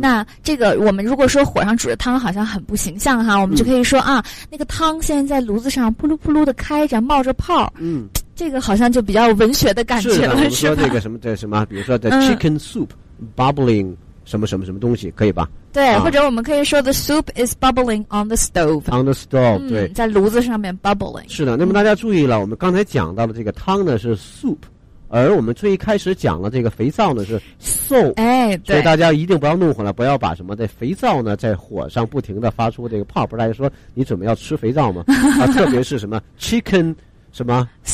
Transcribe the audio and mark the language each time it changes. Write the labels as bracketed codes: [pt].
[zh] 那这个我们如果说火上煮着汤好像很不形象哈，我们就可以说、嗯、啊那个汤现在在炉子上扑噜扑噜的开着冒着泡，嗯，这个好像就比较文学的感觉了。是的，我们说这个什么这什么，比如说 [en] the chicken soup、 [zh] 嗯、 bubbling什么什么什么东西，可以吧？对、啊、或者我们可以说 [en] the soup is bubbling on the stove on the stove、 [zh] 嗯、对，在炉子上面 bubbling。是的，那么大家注意了、嗯、我们刚才讲到的这个汤呢是 soup， 而我们最一开始讲的这个肥皂呢是 soap，哎，对，所以大家一定不要弄混了，不要把什么的肥皂呢在火上不停地发出这个泡，不是大家说你准备要吃肥皂吗啊，特别是什么 chicken 什么